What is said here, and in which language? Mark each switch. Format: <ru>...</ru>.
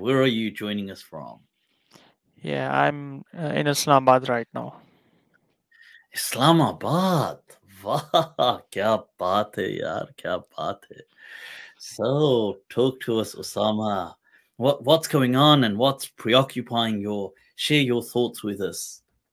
<en>Where are you joining us from? Yeah, I'm in Islamabad right now. Islamabad?</en> <ur>واؤ, کیا بات ہے یار, کیا بات ہے.</ur> <en>So, talk to us, Usama. What's going on and what's preoccupying you? Share your thoughts with us.</en>